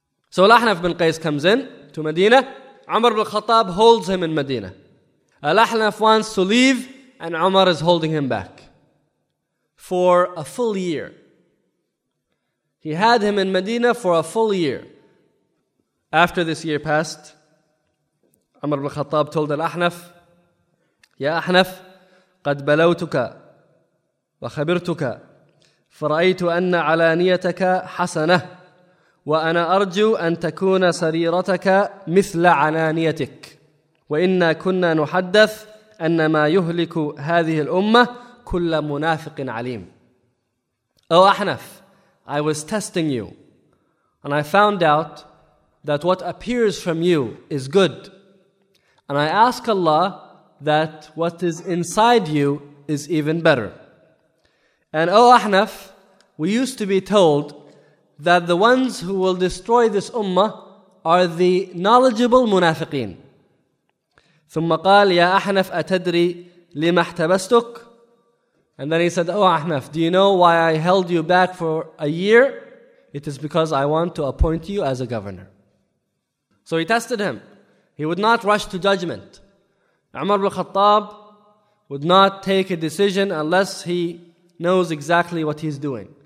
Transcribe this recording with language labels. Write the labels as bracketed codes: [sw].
[en] So Al-Ahnaf ibn Qais comes in to Medina. Umar ibn Khattab holds him in Medina. Al-Ahnaf wants to leave and Umar is holding him back for a full year. He had him in Medina for a full year. After this year passed, Umar ibn Khattab told Al-Ahnaf, [ar] Ya Ahnaf, قد بلوتك وخبرتك فرأيت أن علانيتك حسنة وأنا أرجو أن تكون سريرتك مثل علانيتك وإنا كنا نحدث أن ما يهلك هذه الأمة كل منافق عليم. [en] Oh Ahnaf, I was testing you and I found out that what appears from you is good. And I ask Allah that what is inside you is even better. And oh Ahnaf, we used to be told that the ones who will destroy this ummah are the knowledgeable munafiqeen. [ar] ثم قال يا أحنف أتدري لما احتبستك. [en] And then he said, oh Ahnaf, do you know why I held you back for a year? It is because I want to appoint you as a governor. So he tested him. He would not rush to judgment. Umar ibn Khattab would not take a decision unless he knows exactly what he's doing.